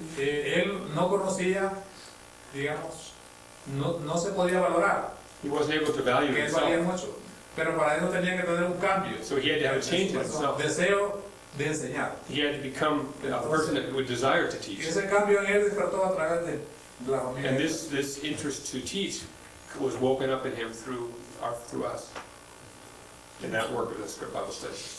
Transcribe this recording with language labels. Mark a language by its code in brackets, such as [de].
[es] Él no conocía, digamos, no se podía valorar. [en] He wasn't able to value himself. [es] Mucho. Pero para eso tenía que tener un cambio. [en] So he had to have a change in himself. [es] Deseo de enseñar. [en] He had to become a person that would desire to teach. [es] Ese cambio en él despertó a través de la familia. [en] And this interest to teach was woken up in him through us in that work of the script Bible study.